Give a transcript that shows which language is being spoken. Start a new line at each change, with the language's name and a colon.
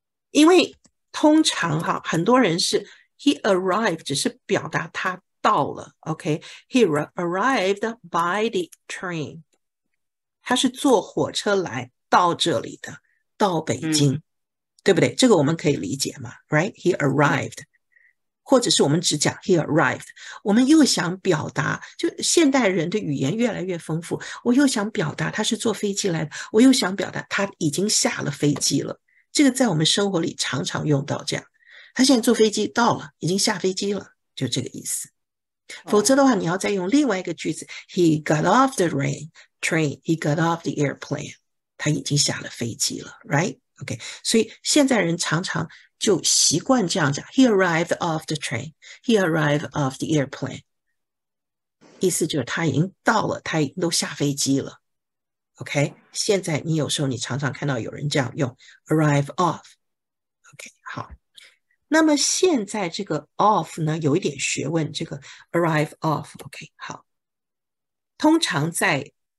Chinese: 因为通常哈，很多人是
English: he arrived，
Chinese: 只是表达他到了。 OK，
English: he arrived by the train，
Chinese: 他是坐火车来到这里的。到北京、对不对？这个我们可以理解嘛 ？Right?
English: He arrived，、
Chinese: 或者是我们只讲
English: he arrived。
Chinese: 我们又想表达，就现代人的语言越来越丰富，我又想表达他是坐飞机来的，我又想表达他已经下了飞机了。这个在我们生活里常常用到，这样，他现在坐飞机到了，已经下飞机了，就这个意思。否则的话，你要再用另外一个句子、：
English: He got off the train. He got off the airplane。
Chinese: 他已经下了飞机了 ，right? OK， 所以现在人常常就习惯这样讲 ：
English: He arrived off the train. He arrived off the airplane.
Chinese: 意思就是他已经到了，他已经都下飞机了。OK， 现在你有时候你常常看到有人这样用 ：
English: arrive off.
Chinese: OK， 好。那么现在这个 off 呢，有一点学问。这个
English: arrive off.
Chinese: OK， 好。通常在